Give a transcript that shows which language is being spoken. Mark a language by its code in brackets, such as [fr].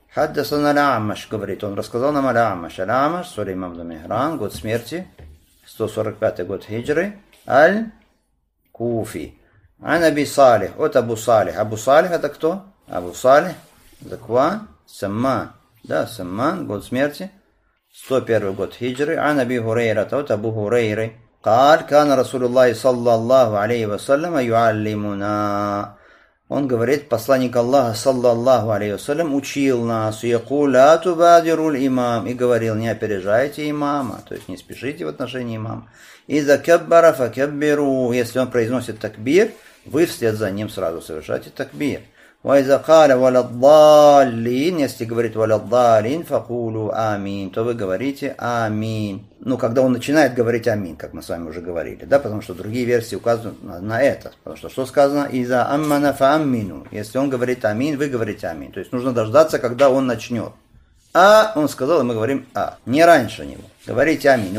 [ar] Хаддасана Аль-Амаш, [ru] говорит, он рассказал нам Аль-Амаш. Аль-Амаш, Сулейман ибн Мехран, год смерти, 145 год хиджры, Аль-Куфи. [ar] Ан Аби Салих, [ru] от Абу Салих. Абу Салих это кто? Абу Салих, Закван, Самман. Да, Самман, год смерти, 101 год хиджры. [ar] Ан Аби Хурейра, [ru] от Абу Хурейры. [ar] قال كان رسول الله صلى الله عليه وسلم يعلمنا. [ru] Он говорит, посланник Аллаха, саллаллаху алейхи вассалям, учил нас, يقول, [ar] لا تبادروا الإمام, [ru] и говорил, не опережайте имама, то есть не спешите в отношении имама. [ar] إذا كبر فكبروا, [ru] если он произносит такбир, вы вслед за ним сразу совершайте такбир. [ar] وإذا قال ولا الضالين, [ru] если говорит [ar] ولا الضالين, فقولوا آمين, [ru] то вы говорите [ar] آمين. [ru] Ну, когда он начинает говорить «Амин», как мы с вами уже говорили, да, потому что другие версии указывают на это. Потому что что сказано? [ar] «Иза аммана фа аммину». [ru] Если он говорит «Амин», вы говорите «Амин». То есть нужно дождаться, когда он начнет. «А» он сказал, и мы говорим «А». Не раньше него. Говорите «Амин».